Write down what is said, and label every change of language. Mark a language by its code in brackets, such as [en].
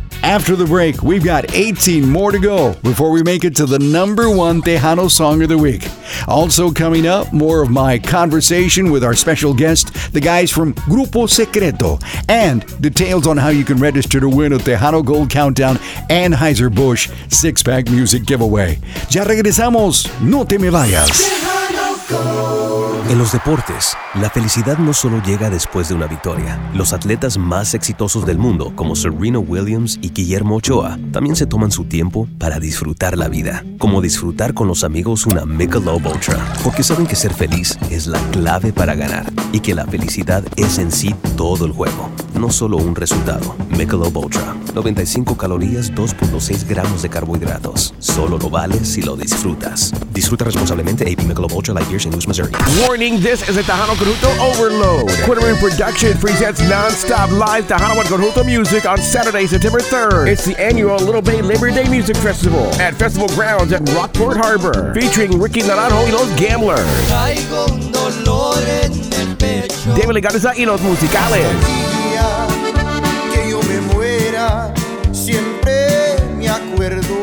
[en] After the break, we've got 18 more to go before we make it to the number one Tejano song of the week. Also coming up, more of my conversation with our special guest, the guys from Grupo Secreto, and details on how you can register to win a Tejano Gold Countdown Anheuser-Busch six-pack music giveaway. [es] Ya regresamos. No te me vayas. En los deportes, la felicidad no solo llega después de una victoria. Los atletas más exitosos del mundo, como Serena Williams y Guillermo Ochoa, también se toman su tiempo para disfrutar la vida. Como disfrutar con los amigos una Michelob Ultra. Porque saben que ser feliz es la clave para ganar. Y que la felicidad es en sí todo el juego. No solo un resultado. Michelob Ultra. 95 calorías, 2.6 gramos de carbohidratos. Solo lo vale si lo disfrutas. Disfruta responsablemente AP Michelob Ultra Light Beer, St. Louis, Missouri. [en] Warning, this is a Tejano Conjunto Overload. Quitterman Production presents non-stop live Tejano and Conjunto music on Saturday, September 3rd. It's the annual Little Bay Labor Day Music Festival at Festival Grounds at Rockport Harbor. Featuring Ricky Naranjo y Los Gamblers. [es] Traigo un dolor en el pecho. [en] David Legarza y Los Musicales. [es] Que yo me muera, siempre me acuerdo.